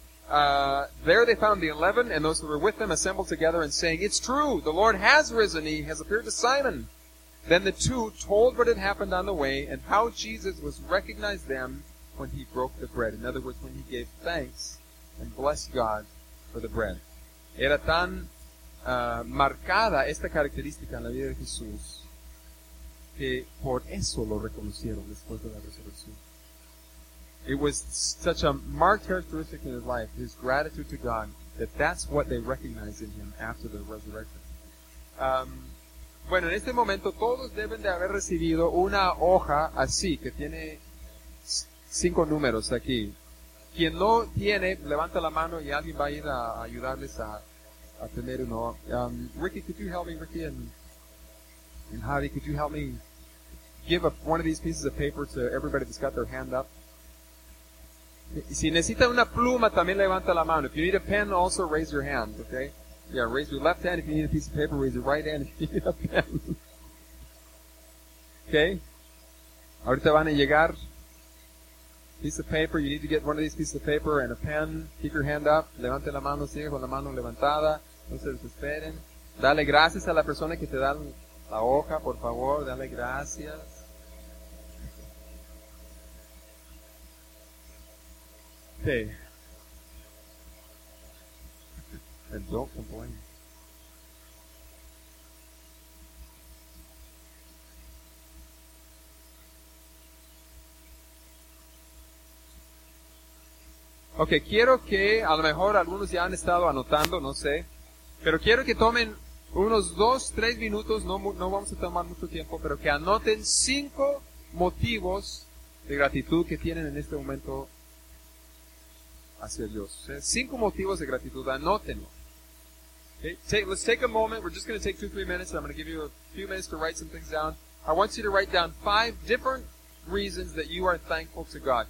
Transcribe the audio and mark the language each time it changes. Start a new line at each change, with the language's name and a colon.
English: There they found the 11 and those who were with them assembled together and saying, it's true, the Lord has risen, he has appeared to Simon. Then the two told what had happened on the way and how Jesus was recognized them when he broke the bread. In other words, when he gave thanks and bless God for the bread.
Spanish: Era tan marcada esta característica en la vida de Jesús que por eso lo reconocieron después de la resurrección.
English: It was such a marked characteristic in his life, his gratitude to God, that that's what they recognized in him after the resurrection.
Spanish: Bueno, en este momento todos deben de haber recibido una hoja así, que tiene cinco números aquí. Quien no tiene, levanta la mano y alguien va a ir a ayudarles a tener uno.
English: Ricky, could you help me, Ricky and Javi, could you help me give one of these pieces of paper to everybody that's got their hand up?
Spanish: Si necesita una pluma, también levanta la mano.
English: If you need a pen, also raise your hand, okay? Yeah, raise your left hand if you need a piece of paper, raise your right hand if you need a pen. Okay?
Spanish: Ahorita van a llegar.
English: Piece of paper, you need to get one of these pieces of paper and a pen. Keep your hand up.
Spanish: Levante la mano, sigue con la mano levantada. No se desesperen. Dale gracias a la persona que te da la hoja, por favor. Dale gracias.
English: Okay. And don't complain.
Spanish: Okay, quiero que, a lo mejor algunos ya han estado anotando, no sé, pero quiero que tomen unos 2-3 minutos, no vamos a tomar mucho tiempo, pero que anoten 5 motivos de gratitud que tienen en este momento hacia Dios. 5 motivos de gratitud, anótenlo.
English: Okay, let's take a moment. We're just going to take 2-3 minutes, and I'm going to give you a few minutes to write some things down. I want you to write down 5 different reasons that you are thankful to God.